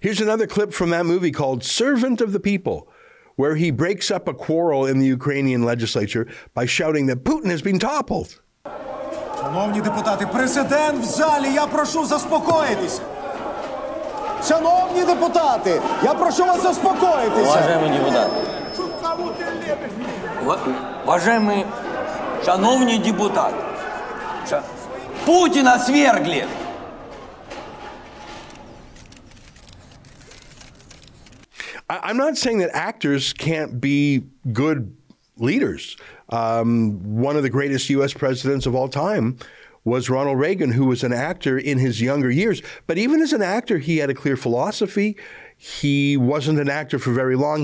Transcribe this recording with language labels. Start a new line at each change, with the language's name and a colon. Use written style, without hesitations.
English: Here's another clip from that movie called Servant of the People, where he breaks up a quarrel in the Ukrainian legislature by shouting that Putin has been toppled.
Ukrainian: Шановні депутати, президент в залі, я прошу заспокоїтися. Шановні депутати, я прошу вас заспокоїтися.
Russian: Уважаемые депутаты. Уважаемые, шановні депутаты, Путина свергли.
English: I'm not saying that actors can't be good leaders. One of the greatest U.S. presidents of all time was Ronald Reagan, who was an actor in his younger years. But even as an actor, he had a clear philosophy. He wasn't an actor for very long.